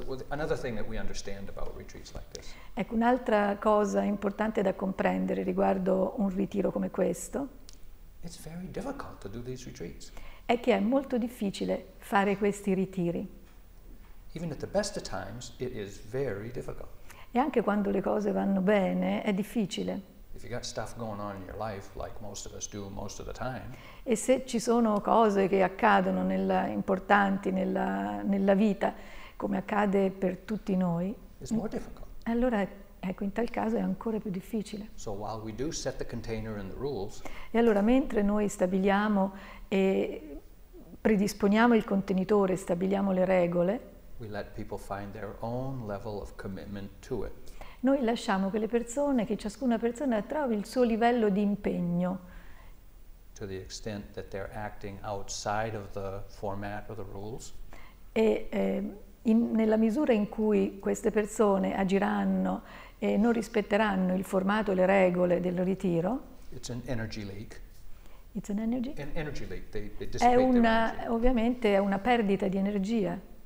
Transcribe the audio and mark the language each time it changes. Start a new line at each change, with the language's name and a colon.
English: Another thing that we understand about retreats like this.
Italian: Ecco, un'altra cosa importante da comprendere riguardo un ritiro come questo.
English: It's very difficult to do these retreats.
Italian: È che è molto difficile fare questi ritiri.
English: Even at the best of times, it is very difficult.
Italian: E anche quando le cose vanno bene, è difficile.
English: If you got stuff going on in your life, like most of us do most of the time.
Italian: E se ci sono cose che accadono importanti nella vita, come accade per tutti noi.
English: It's more difficult.
Italian: Allora, ecco, in tal caso è ancora più difficile.
English: So while we do set the container and the rules.
Italian: E allora mentre noi stabiliamo e predisponiamo il contenitore, stabiliamo le regole.
English: We let people find their own level of commitment to it.
Italian: Noi lasciamo che le persone, che ciascuna persona trovi il suo livello di impegno.
English: To the extent that they're acting outside of the format or the rules.
Italian: Nella misura in cui queste persone agiranno e non rispetteranno il formato e le regole del ritiro.
English: It's an energy leak. It's an energy. An energy leak. They dissipate their energy.
Italian: È una, ovviamente è una perdita di energia.